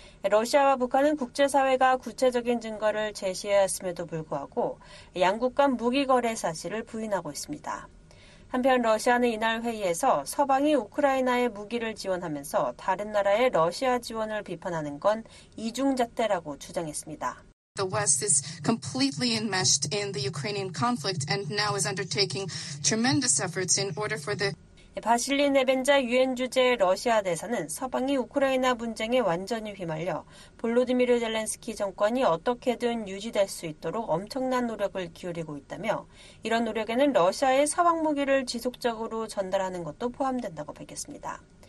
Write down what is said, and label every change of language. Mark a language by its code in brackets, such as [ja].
[ko] 러시아와 북한은 국제사회가 구체적인 증거를 제시했음에도 불구하고 양국 간 무기 거래 사실을 부인하고 있습니다. 한편 러시아는 이날 회의에서 서방이 우크라이나에 무기를 지원하면서 다른 나라의 러시아 지원을 비판하는 건 이중잣대라고 주장했습니다. [en] The West is completely enmeshed in the Ukrainian conflict and now is undertaking tremendous efforts in order for the [ko] 바실리 네벤자 유엔 주재 러시아 대사는 서방이 우크라이나 분쟁에 완전히 휘말려 볼로디미르 젤렌스키 정권이 어떻게든 유지될 수 있도록 엄청난 노력을 기울이고 있다며 이런 노력에는 러시아의 서방 무기를 지속적으로 전달하는 것도 포함된다고 밝혔습니다.